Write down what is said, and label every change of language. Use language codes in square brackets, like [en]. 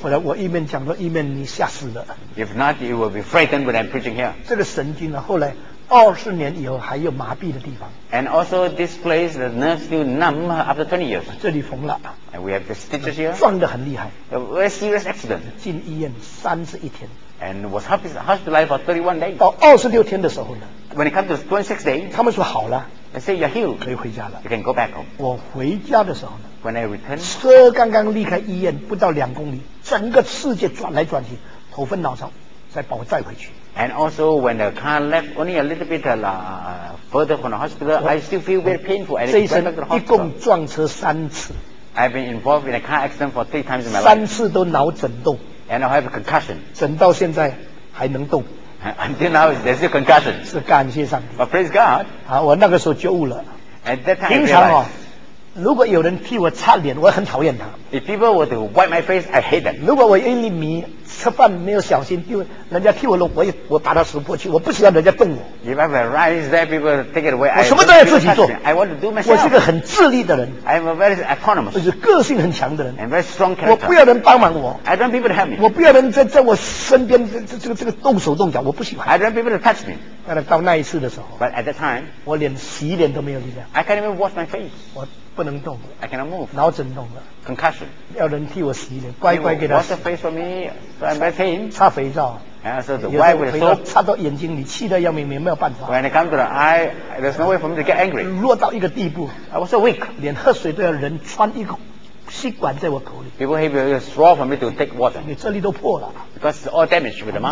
[zh] 后来我一面讲到一面，你吓死了。 [en] If not, you will be frightened when I'm preaching here. [zh] 这个神经啊，后来 20年以后还有麻痹的地方。 [en] And also this place, the nerve still numb after 20 years. [zh] 这里缝了。 [en] And we have the stitches here. [zh] 撞得很厉害。 [en] A very serious accident. [zh] 进医院31天。 [en] And was hospitalized for 31 days. [zh] 到26天的时候呢 [en] ？When it comes to 26 days, [zh] 他们说好了。 [en] They say you're healed. [zh] 可以回家了。 [en] You can go back home. [zh] 我回家的时候呢 [en] ？When I return, [zh] 车刚刚离开医院不到2公里，整个世界转来转去，头昏脑胀，再把我载回去。 [en] And also when the car left only a little bit further from the hospital, I still feel very painful. And [zh] 这一生一共撞车3次。 [en] I've been involved in a car accident for 3 times in my life. [zh] 3次都脑震动。 [en] And I have a concussion. [zh] 整到现在还能动。 [en] Until now, there's still concussion. [zh] 是感谢上帝。 [en] But praise God. [zh] 我那个时候觉悟了。 [en] At that time, [zh] 平常哦，如果有人替我擦脸，我很讨厌他。 [en] If people were to wipe my face, I hate them. [zh] 如果我一粒米吃饭没有小心，丢人家替我弄，我把它拾过去，我不喜欢人家动我。 [en] If I rise there, people take it away. [zh] 我什么都要自己做。 [en] I want to do myself. [zh] 我是个很自立的人。 [en] I'm a very autonomous. [zh] 我是个性很强的人。 [en] I'm very strong character. [zh] 我不要人帮忙我。 [en] I don't want people to help me. [zh] 我不要人在我身边这个动手动脚，我不喜欢。 [en] I don't want people to touch me. [zh] 但到那一次的时候 [en] ，But at that time, [zh] 我连洗脸都没有力量。 [en] I can't even wash my face. [zh] 我不能动。 [en] I cannot move. [zh] 脑震动了。 [en] Concussion. [zh] 要人替我洗脸，乖乖给他洗。 [en] Wash the face for me. So、I'm very pain. [zh] 擦肥皂。擦到眼睛里，气得要命，没有办法。 [en] When it comes to the eye, there's no way for me to get angry. [zh] 弱到一个地步。 [en] I was so weak. [zh] 连喝水都要人穿一个吸管在我口里。 [en] People have a straw for me to take water. [zh] 你这里都破了。 [en] Because it's all damaged with the mouth.